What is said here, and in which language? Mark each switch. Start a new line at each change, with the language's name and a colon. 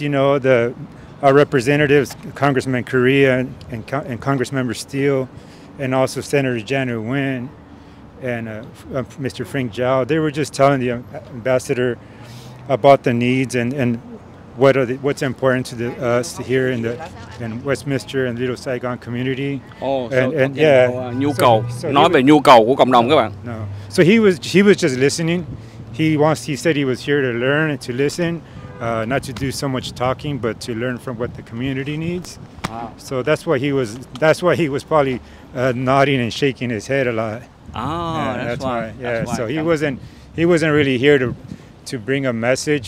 English: You know, our representatives, Congressman Correa and Congressmember Steele, and also Senator Janet Nguyen and Mr. Frank Zhao, they were just telling the ambassador about the needs and what's important to us here in Westminster and Little Saigon community. Oh, and, so and, okay, yeah.
Vietnamese: Nhu cầu, nói về nhu cầu của cộng đồng các bạn.
English: No. So he was just listening. He said he was here to learn and to listen, not to do so much talking, but to learn from what the community needs. Wow. So that's why he was probably nodding and shaking his head a lot. Oh, that's why. Yeah, that's why. So he wasn't really here to bring a message.